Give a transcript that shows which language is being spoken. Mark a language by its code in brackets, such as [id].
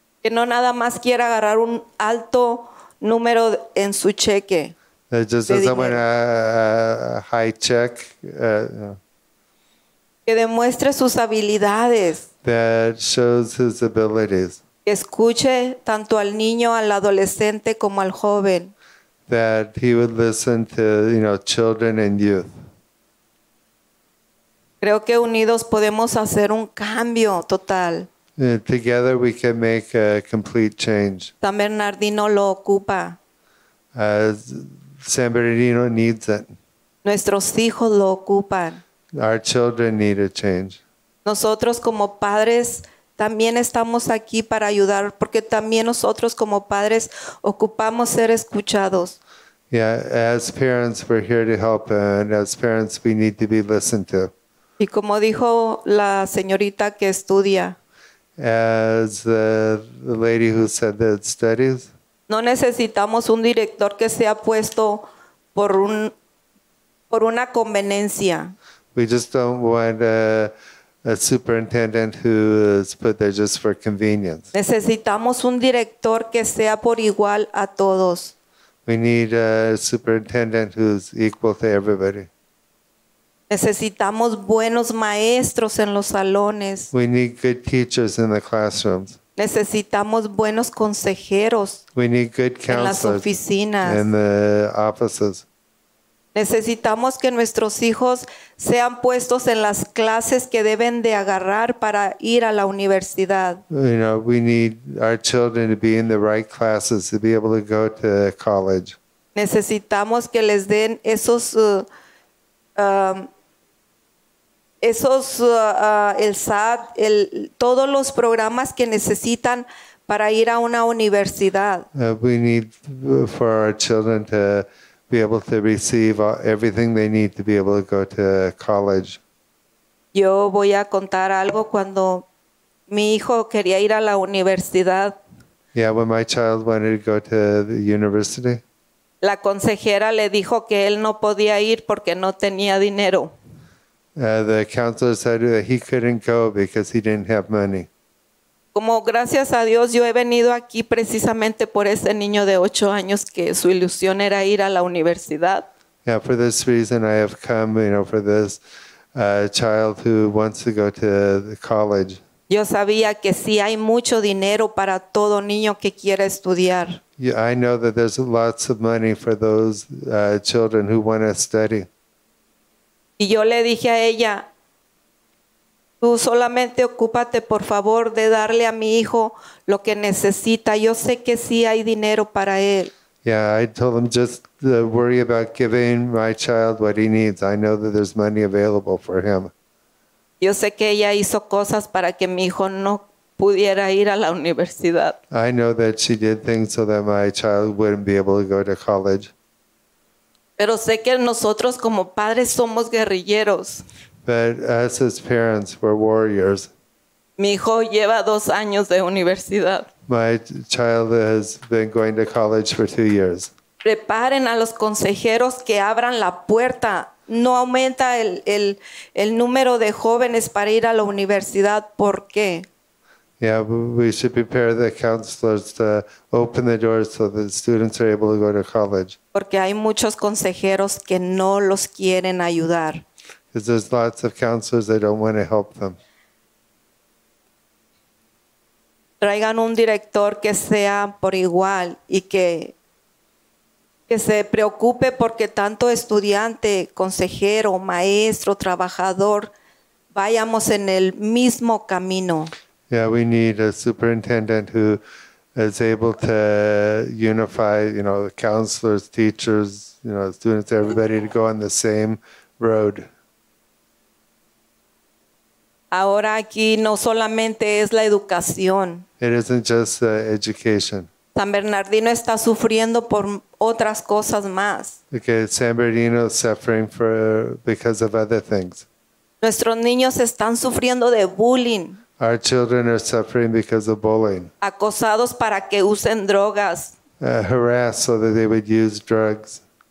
[es] Que no nada más quiera agarrar un alto número en su cheque. [en] That just doesn't want a high check. [es] Que demuestre sus habilidades. [en] That shows his abilities. [es] Escuche tanto al niño, al adolescente como al joven. [en] That he would listen to, children and youth. [es] Creo que unidos podemos hacer un cambio total. [en] Together we can make a complete change. [es] San Bernardino lo ocupa. [en] San Bernardino needs it. [es] Nuestros hijos lo ocupan. [en] Our children need a change. [es] Nosotros como padres también estamos aquí para ayudar, porque también nosotros como padres ocupamos ser escuchados. [en] Yeah, as parents, we're here to help, and as parents, we need to be listened to. [es] Y como dijo la señorita que estudia. [en] As the lady who said that studies. [es] No necesitamos un director que sea puesto por una conveniencia. [en] We just don't want a superintendent who is put there just for convenience. [es] Necesitamos un director que sea por igual a todos. [en] We need a superintendent who's equal to everybody. [es] Necesitamos buenos maestros en los salones. [en] We need good teachers in the classrooms. [es] Necesitamos buenos consejeros. [en] We need good counselors [es] en las oficinas. [en] In the offices. [es] Necesitamos que nuestros hijos sean puestos en las clases que deben de agarrar para ir a la universidad. [en] You know, we need our children to be in the right classes to be able to go to college. [es] Necesitamos que les den el SAT, todos los programas que necesitan para ir a una universidad. [en] We need for our children to be able to receive everything they need to be able to go to college. [es] Yo voy a contar algo cuando mi hijo quería ir a la universidad. [en] Yeah, when my child wanted to go to the university. [es] La consejera le dijo que él no podía ir porque no tenía dinero. [en] The counselor said that he couldn't go because he didn't have money. [es] Como gracias a Dios, yo he venido aquí precisamente por ese niño de 8 años que su ilusión era ir a la universidad. [en] Yeah, for this reason I have come, you know, for this child who wants to go to the college. [es] Yo sabía que sí hay mucho dinero para todo niño que quiera estudiar. [en] Yeah, I know that there's lots of money for those children who want to study. [es] Y yo le dije a ella, tú solamente ocúpate, por favor, de darle a mi hijo lo que necesita. Yo sé que sí hay dinero para él. [en] Yeah, I told him just to worry about giving my child what he needs. I know that there's money available for him. [es] Yo sé que ella hizo cosas para que mi hijo no pudiera ir a la universidad. [en] I know that she did things so that my child wouldn't be able to go to college. [es] Pero sé que nosotros como padres somos guerrilleros. [en] But us as parents, we're warriors. [es] Mi hijo lleva 2 años de universidad. [en] My child has been going to college for 2 years. [es] Preparen a los consejeros que abran la puerta. No aumenta el número de jóvenes para ir a la universidad. ¿Por qué? [en] Yeah, we should prepare the counselors to open the doors so that students are able to go to college. [es] Porque hay muchos consejeros que no los quieren ayudar. [en] Because there's lots of counselors that don't want to help them. [es] Traigan un director que sea por igual y que se preocupe porque tanto estudiante, consejero, maestro, trabajador, vayamos en el mismo camino. [en] Yeah, we need a superintendent who is able to unify, you know, the counselors, teachers, you know, students, everybody to go on the same road. [es] Ahora aquí no solamente es la educación. [en] It isn't just education. [es] San Bernardino está sufriendo por otras cosas más. [en] Okay, San Bernardino is suffering because of other things. [es] Nuestros niños están sufriendo de bullying. [en] Our children are suffering because of bullying. [es] Acosados para que usen drogas. [en] Harassed so that they would use drugs.